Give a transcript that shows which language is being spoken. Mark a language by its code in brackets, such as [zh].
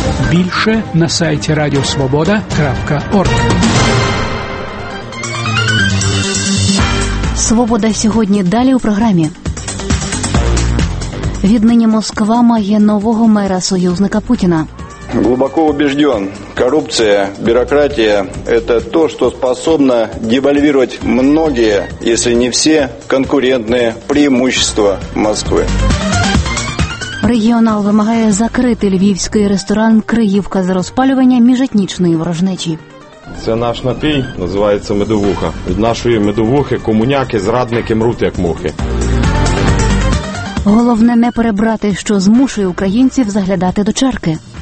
[uk] Більше на сайті радіосвобода.org. Свобода сьогодні далі у програмі. Віднині Москва має нового мера союзника Путіна. [ru] Глубоко убежден, коррупция, бюрократия – это то, что способно девальвировать многие, если не все, конкурентные преимущества Москвы. [uk] Регіонал вимагає закрити львівський ресторан «Криївка» за розпалювання міжетнічної ворожнечі. Це наш напій, називається «Медовуха». Від нашої медовухи комуняки, зрадники мруть як мухи. Головне не перебрати, що змушує українців заглядати до чарки.